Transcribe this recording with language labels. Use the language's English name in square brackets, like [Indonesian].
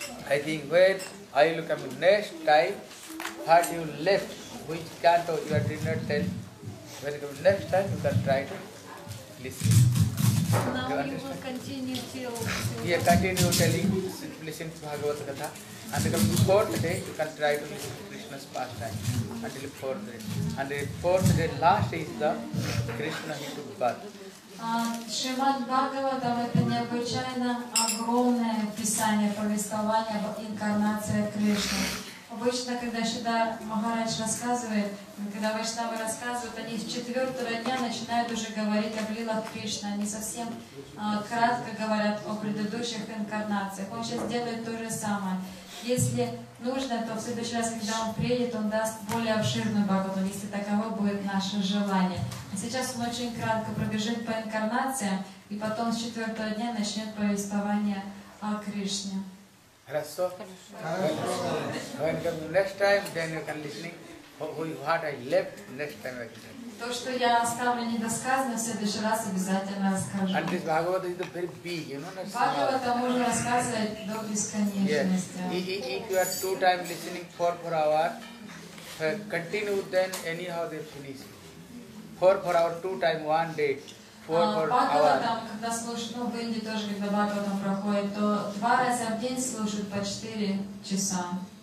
[English] I think when I look at next time, had you left, which canto you did not tell, when you come next time, you can try to listen. Now you will continue till. Yeah, continue telling, listen to Bhagavata Katha. And the coming fourth day, you can try to listen to Krishna's pastime. Until fourth day. And the fourth day, last is the Krishna Hindu birth. [Russian] Шримад Бхагаватам это необычайно огромное писание, повествование об инкарнации Кришны. Обычно, когда Шрила Махарадж рассказывает, когда вайшнавы рассказывают, они с четвертого дня начинают уже говорить об лилах Кришны. Они совсем кратко говорят о предыдущих инкарнациях. Он сейчас делает то же самое. Если нужно, то в следующий раз, когда он приедет, он даст более обширную Бхагавату, если таково будет наше желание. А сейчас он очень кратко пробежит по инкарнациям, и потом с четвертого дня начнет повествование о Кришне. Хорошо? Хорошо. [English] Next time, then you can listen what I left next time. [Russian] То, что я оставлю недосказанным, в следующий раз обязательно расскажу. [English] And this Bhagavata is very big, you know. [Russian] Bhagavata можно рассказывать до бесконечности. [English] Yes. If you are two times listening for 4 hours, continue then anyhow they finish. Four hours, two times, one day. [Russian] Бхагаватам, когда слушают, ну в Индии тоже, когда Бхагаватам проходит, то 2 раза в день слушают по 4 часа.